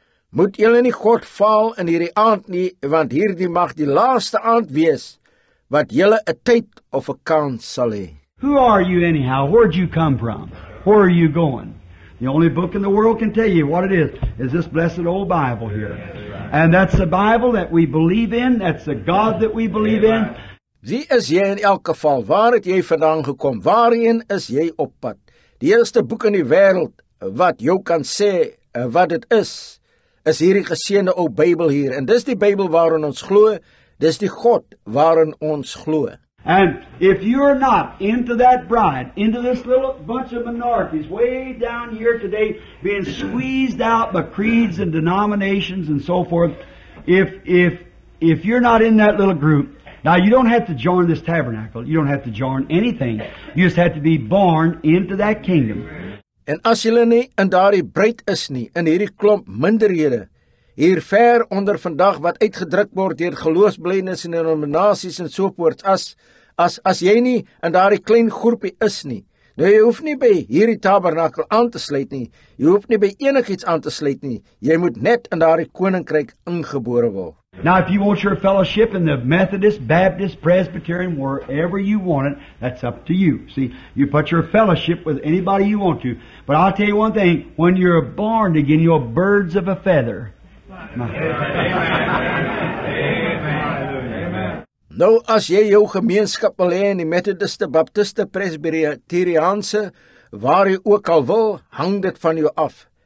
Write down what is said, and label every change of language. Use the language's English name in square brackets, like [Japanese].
[Afrikaans] Moet julle nie God faal in hierdie aand nie, want hierdie mag die laaste aand wees, wat julle 'n tyd of 'n kans sal hê. [English] Who are you anyhow? Where'd you come from? Where are you going? The only book in the world can tell you what it is this blessed old Bible here. And that's the Bible that we believe in, that's the God that we believe in. [Afrikaans] Wie is jy in elk geval? Waar het jy vandaan gekom? Waarheen is jy op pad? Die eerste boek in die wêreld wat jou kan sê wat dit is hierdie geseënde ou Bybel hier. En dis die Bybel waarin ons glo, dis die God waarin ons glo. [English] And if you're not into that bride, into this little bunch of minorities way down here today, being squeezed out by creeds and denominations and so forth, if you're not in that little group, now you don't have to join this tabernacle, you don't have to join anything, you just have to be born into that kingdom. [Afrikaans] En as julle nie in daardie breed is nie, in hierdie klomp minderhede, hier ver onder vandag wat uitgedrukt [Dutch] wordt door geloofsblijdenis [Afrikaans] en denominaties en so voort, as jy nie in daardie klein groepie is nie, nou jy hoef nie by hierdie tabernakel aan te sluit nie, jy hoef nie by enig iets aan te sluit nie, jy moet net in daardie koninkryk ingebore word. [English] Now, if you want your fellowship in the Methodist, Baptist, Presbyterian, wherever you want it, that's up to you. See, you put your fellowship with anybody you want to. But I'll tell you one thing, when you're born again, you're birds of a feather. [Afrikaans] Nou, as jy jou gemeenskap wil hê in die Methodiste, Baptiste, Presbyteriaanse, waar jy ook al wil, hang dit van jou af.